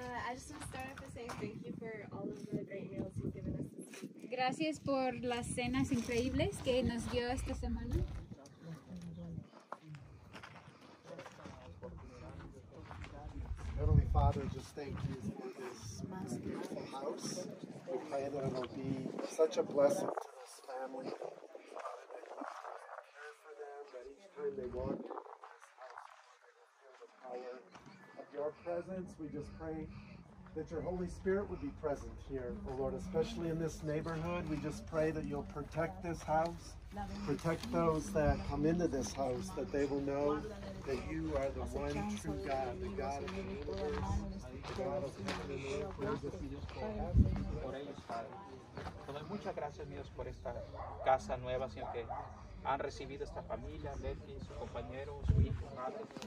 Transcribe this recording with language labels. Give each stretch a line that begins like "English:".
English: I just want to start off by saying thank you for all of the great meals you've given us this week.
Spanish: Gracias por las cenas increíbles que nos dio esta semana.
English: Father, just thank you for this beautiful house. We pray that it will be such a blessing to this family. Care for them, that each time they walk into this house, they will feel the power of your presence. We just pray that your Holy Spirit would be present here, oh Lord, especially in this neighborhood. We just pray that you'll protect this house, protect those that come into this house, that they will know that you are the one true God, the God of the universe, the God of heaven and earth.
Spanish: Doy muchas gracias, Dios, por esta casa nueva, Señor, que han recibido esta familia, Leti, su compañero, su hijo, madre.